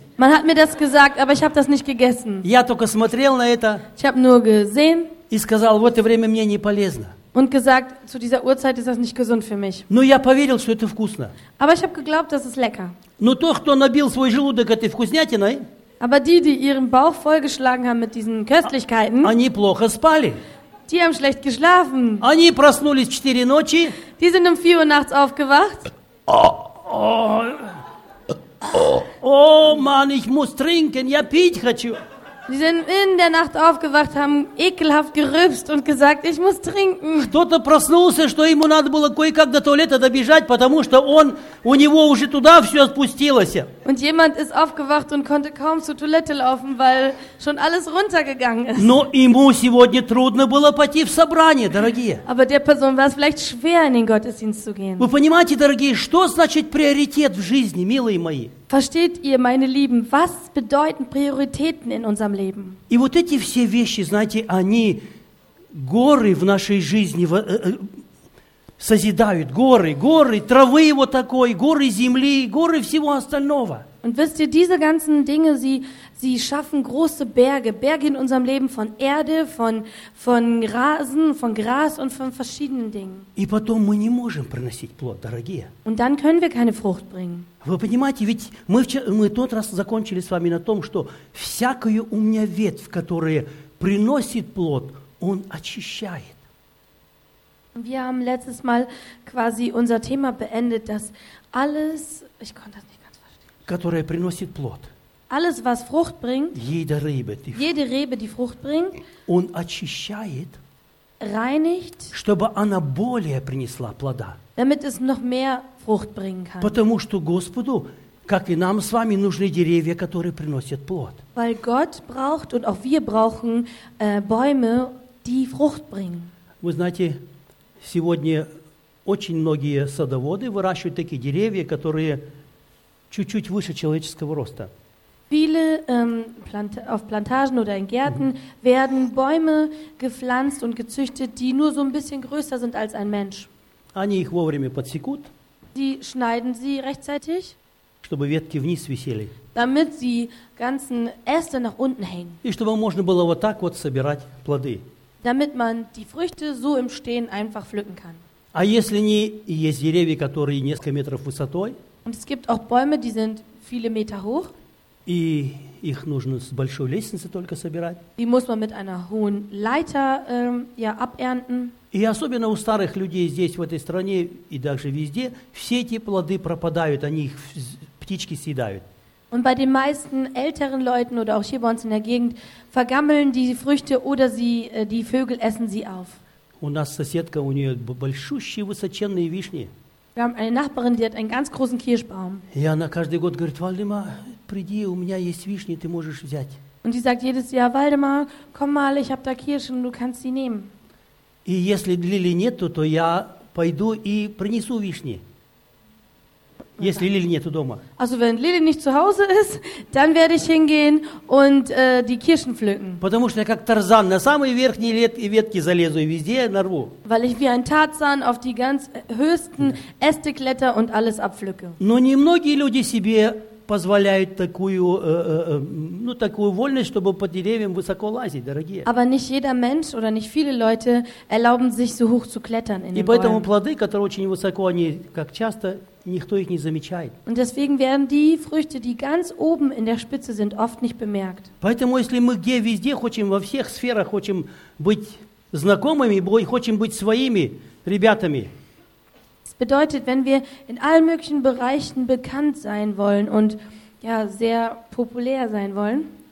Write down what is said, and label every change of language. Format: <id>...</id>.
<de>Man hat mir das gesagt, aber ich habe das nicht gegessen.</de> <ru>Я только смотрел на это.</ru> <de>Ich habe nur gesehen.</de> <ru>И сказал: «Вот это время мне не полезно».</ru> <de>Und gesagt, zu dieser Uhrzeit ist das nicht gesund für mich.</de> <ru>Но я поверил, что это вкусно.</ru> <de>Aber ich habe geglaubt, das ist lecker.</de> <ru>Но то, кто набил свой желудок этой вкуснятиной,</ru> <de>aber die, die ihren Bauch vollgeschlagen haben mit diesen Köstlichkeiten,</de> <ru>они плохо спали.</ru> <de>Die haben schlecht geschlafen.</de> <ru>Они проснулись в 4 ночи.</ru> <de>Die sind um 4 Uhr nachts aufgewacht. Oh Mann, ich muss trinken, ja,</de> <ru>пить хочу.</ru> <de>Die sind in der Nacht aufgewacht, haben ekelhaft gerülpst und gesagt, ich muss trinken.</de> <ru>Кто-то проснулся, что ему надо было кое-как до туалета добежать, потому что он, у него уже туда все спустилось.</ru> <de>Und jemand ist aufgewacht und konnte kaum zur Toilette laufen, weil schon alles runtergegangen ist.</de> <ru>Но ему сегодня трудно было пойти в собрание, дорогие.</ru> <de>Aber der Person war es vielleicht schwer, in den Gottesdienst zu gehen.</de> <ru>Вы понимаете, дорогие, что значит приоритет в жизни, милые мои?</ru> <de>Versteht ihr, meine Lieben, was bedeuten Prioritäten in unserem Leben?</de> <ru>И вот эти все вещи, знаете, они горы в нашей жизни созидают. Горы, горы, травы вот такой, горы земли, горы всего остального.</ru> <de>Und wisst ihr, diese ganzen Dinge, sie schaffen große Berge. Berge in unserem Leben von Erde, von Rasen, von Gras und von verschiedenen Dingen.</de> <ru>И потом мы не можем приносить плод, дорогие.</ru> <de>Und dann können wir keine Frucht bringen.</de> <ru>Вы понимаете, ведь мы вчера, мы тот раз закончили с вами на том, что всякая у меня ветвь, которая приносит плод, он очищает.</ru> <de>Wir haben letztes Mal quasi unser Thema beendet, dass alles, ich konnte das nicht ganz verstehen.</de> <ru>Которая приносит плод.</ru> <de>Alles, was Frucht bringt, jede Rebe, die Frucht bringt,</de> <ru>он очищает,</ru> <de>reinigt,</de> <ru>чтобы она более принесла плода.</ru> <de>Damit es noch mehr Frucht bringen kann.</de> <ru>Потому что Господу, как и нам с вами, нужны деревья, которые приносят плод.</ru> <de>Weil Gott braucht und auch wir brauchen Bäume, die Frucht bringen.</de> <ru>Вы знаете, сегодня очень многие садоводы выращивают такие деревья, которые чуть-чуть выше человеческого роста.</ru> <de>Viele auf Plantagen oder in Gärten werden Bäume gepflanzt und gezüchtet, die nur so ein bisschen größer sind als ein Mensch.</de> <ru>Они их вовремя подсекут.</ru> <de>Die schneiden sie rechtzeitig.</de> <ru>Чтобы ветки вниз висели.</ru> <de>Damit die ganzen Äste nach unten hängen.</de> <ru>И чтобы можно было вот так вот собирать плоды.</ru> <de>Damit man die Früchte so im Stehen einfach pflücken kann.</de> <ru>А если не, есть деревья, которые несколько метров высотой.</ru> <de>Und es gibt auch Bäume, die sind viele Meter hoch.</de> <ru>И их нужно с большой лестницы только собирать.</ru> <de>Die muss man mit einer hohen Leiter abernten.</de> <ru>И особенно у старых людей здесь, в этой стране, и даже везде, все эти плоды пропадают, они их птички съедают.</ru> <de>Und bei den meisten älteren Leuten oder auch hier bei uns in der Gegend vergammeln die Früchte oder sie, die Vögel essen sie auf.</de> <ru>У нас соседка, у нее большущие высоченные вишни.</ru> <de>Wir haben eine Nachbarin, die hat einen ganz großen Kirschbaum.</de> <ru>И она каждый год говорит: «Вальдемар, приди, у меня есть вишни, ты можешь взять».</ru> <de>Und sie sagt jedes Jahr: Waldemar, komm mal, ich habe da Kirschen, du kannst sie nehmen.</de> <ru>И если Лили нету, то я пойду и принесу вишни. Если Лили нету дома.</ru> <de>Also wenn Lili nicht zu Hause ist, dann werde ich hingehen und die Kirschen pflücken.</de> <ru>Потому что я как Тарзан на самые верхние ветки залезу и везде нарву.</ru> <de>Weil ich wie ein Tarzan auf die ganz höchsten Äste kletter und alles abpflücke.</de> <ru>Но немногие люди себе позволяют такую, ну, такую вольность, чтобы по деревьям высоко лазить, дорогие.</ru> <de>Aber nicht jeder Mensch oder nicht viele Leute erlauben sich so hoch zu klettern in den Bäumen.</de> <ru>И поэтому плоды, которые очень высоко, они как часто никто их не замечает.</ru> <de>Und deswegen werden die Früchte, die ganz oben in der Spitze sind, oft nicht bemerkt.</de> <ru>Поэтому если мы где везде хотим во всех сферах хотим быть знакомыми, хотим быть своими ребятами.</ru> <de>Bedeutet, wenn wir in allen möglichen Bereichen bekannt sein wollen und ja, sehr populär sein wollen,</de>